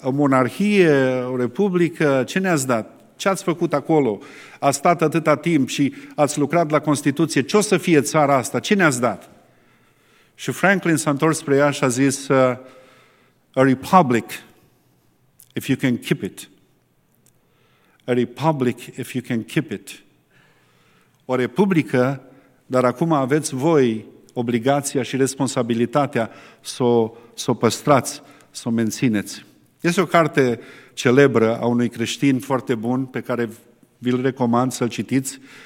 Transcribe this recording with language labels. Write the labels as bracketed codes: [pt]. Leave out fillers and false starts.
[ro] O monarhie, o republică, ce ne-ați dat? Ce ați făcut acolo? A stat atâta timp și ați lucrat la Constituție, ce o să fie țara asta? Ce ne-ați dat? Și Franklin s-a întors spre ea și a zis, a republic, if you can keep it. [en] A republic, if you can keep it. [ro] O republică, dar acum aveți voi obligația și responsabilitatea să o păstrați, să o mențineți. Este o carte celebră a unui creștin foarte bun, pe care vi-l recomand să-l citiți.